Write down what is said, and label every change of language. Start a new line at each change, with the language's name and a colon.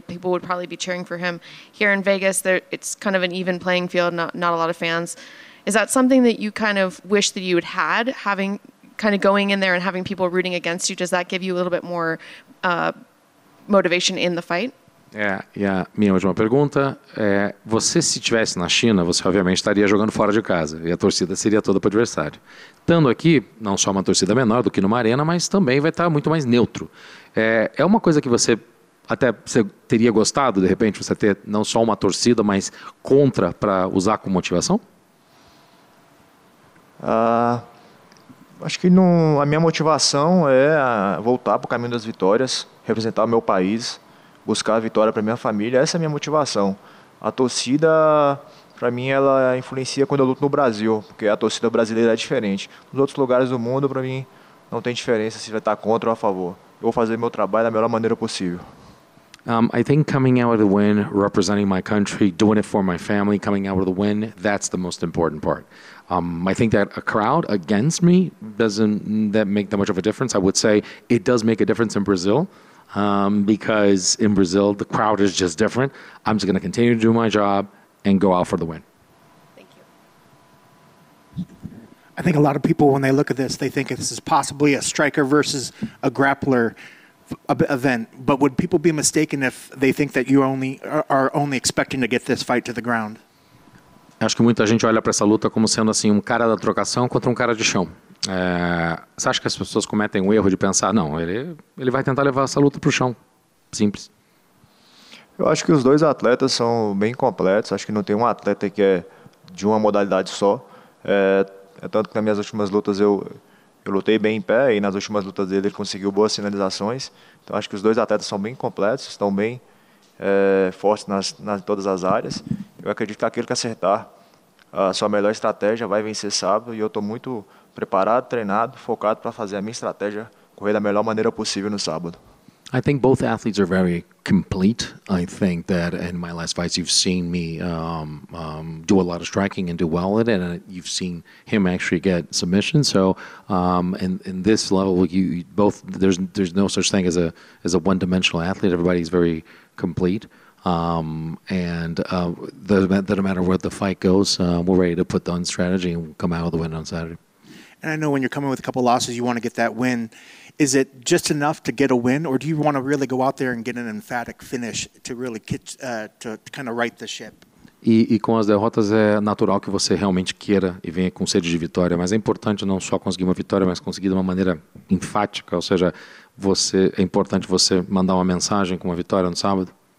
English: People would probably be cheering for him. Here in Vegas, it's kind of an even playing field, not a lot of fans. Is that something that you kind of wish that you had, having kind of going in there and having people rooting against you? Does that give you a little bit more motivation in the fight?
Portuguese: E a minha última pergunta é, você se estivesse na China, você obviamente estaria jogando fora de casa e a torcida seria toda para o adversário. Estando aqui, não só uma torcida menor do que numa arena, mas também vai estar muito mais neutro. É uma coisa que você até você teria gostado, de repente, você ter não só uma torcida, mas contra para usar como motivação? Acho que a minha motivação é voltar para o caminho das vitórias, representar o meu país, buscar a vitória para minha família. Essa é a minha motivação. A torcida, para mim, ela influencia quando eu luto no Brasil, porque a torcida brasileira é diferente. Nos outros lugares do mundo, para mim, não tem diferença se vai estar contra ou a favor. Eu vou fazer meu trabalho da melhor maneira possível.
English: I think coming out with a win, representing my country, doing it for my family, coming out with a win, that's the most important part. I think that a crowd against me doesn't that make that much of a difference. I would say it does make a difference in Brazil, because in Brazil, the crowd is just different. I'm just going to continue to do my job and go out for the win. Thank you. I think a lot of people, when they look at this, they think this is possibly a striker versus a grappler event, but would people be mistaken if they think that you only are only expecting to get this fight to the ground?
Portuguese: Acho que muita gente olha para essa luta como sendo assim um cara da trocação contra um cara de chão. Você acha que as pessoas cometem o erro de pensar, não, ele vai tentar levar essa luta para o chão? Simples. Eu acho que os dois atletas são bem completos. Acho que não tem um atleta que é de uma modalidade só. É tanto que nas minhas últimas lutas eu lutei bem em pé e nas últimas lutas dele ele conseguiu boas sinalizações. Então acho que os dois atletas são bem completos, estão bem fortes nas todas as áreas. Eu acredito que aquele que acertar a sua melhor estratégia vai vencer sábado e eu estou muito preparado, treinado, focado para fazer a minha estratégia correr da melhor maneira possível no sábado.
English: I think both athletes are very complete. I think that in my last fights you've seen me do a lot of striking and do well at it, and you've seen him actually get submission. So in this level, you both there's no such thing as a one-dimensional athlete. Everybody's very complete. No matter where the fight goes, we're ready to put on strategy and come out with the win on Saturday. And I know when you're coming with a couple losses, you want to get that win. Is it just enough to get a win, or do you want to really go out there and get an emphatic finish to really to kind of right the ship?
Portuguese: E com as derrotas é natural que você realmente queira e venha com sede de vitória, mas é importante não só conseguir uma vitória, mas conseguir de uma maneira enfática, ou seja, é importante você mandar uma mensagem com uma vitória no sábado.